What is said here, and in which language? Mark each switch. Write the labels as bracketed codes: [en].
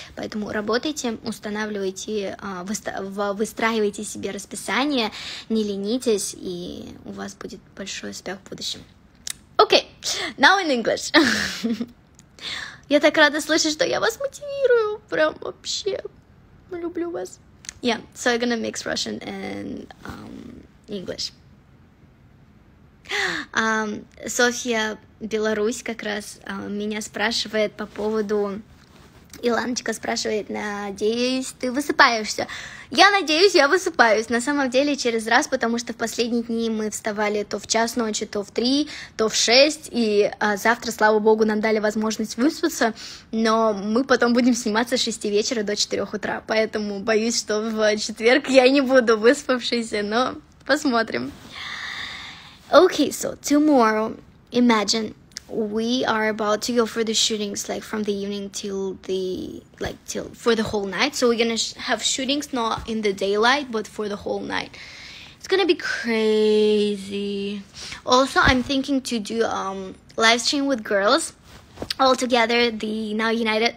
[ru] Поэтому работайте, устанавливайте, выстраивайте себе расписание, не ленитесь, и у вас будет большой успех в будущем. [en] Окей, now in English. [ru] Я так рада слышать, что я вас мотивирую, прям вообще, люблю вас. [en] Yeah, so I'm gonna mix Russian and English. [ru] Софья Беларусь как раз меня спрашивает по поводу... Иланочка спрашивает, надеюсь, ты высыпаешься? Я надеюсь, я высыпаюсь, на самом деле, через раз, потому что в последние дни мы вставали то в час ночи, то в три, то в шесть, и завтра, слава богу, нам дали возможность выспаться, но мы потом будем сниматься с 6 вечера до 4 утра, поэтому боюсь, что в четверг я не буду выспавшейся, но посмотрим. [en] Okay, so tomorrow, imagine... We are about to go for the shootings, like, from the evening till the, like, till for the whole night. So we're gonna have shootings, not in the daylight, but for the whole night. It's gonna be crazy. Also, I'm thinking to do live stream with girls all together, the Now United.